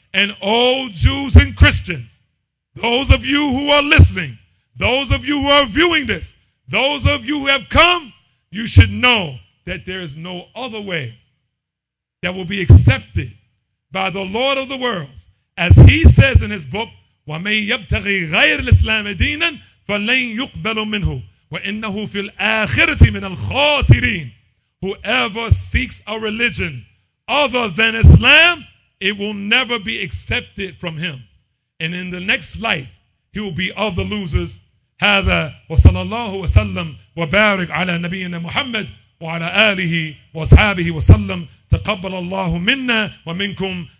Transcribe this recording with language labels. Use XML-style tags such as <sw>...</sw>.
<en>And all Jews and Christians, those of you who are listening, those of you who are viewing this, those of you who have come, you should know that there is no other way that will be accepted by the Lord of the worlds. As he says in his book,</en> <ar>وَمَنْ يَبْتَغِي غَيْرِ الْإِسْلَامِ دِينًا فَلَنْ يُقْبَلُ مِنْهُ وَإِنَّهُ فِي الْآخِرَةِ مِنَ الْخَاسِرِينَ.</ar> <en>Whoever seeks a religion other than Islam, it will never be accepted from him. And in the next life, he will be of the losers.</en> <ar>هَذَا وَصَلَى اللَّهُ وَسَلَّمْ وَبَارِكْ عَلَى نَبِيِّنَا مُحَمَّدْ وَعَلَى آلِهِ وَأَصْحَابِهِ وَسَلَّمْ. تَقَبَّلَ اللَّهُ مِنَّا وَمِنْكُمْ</ar>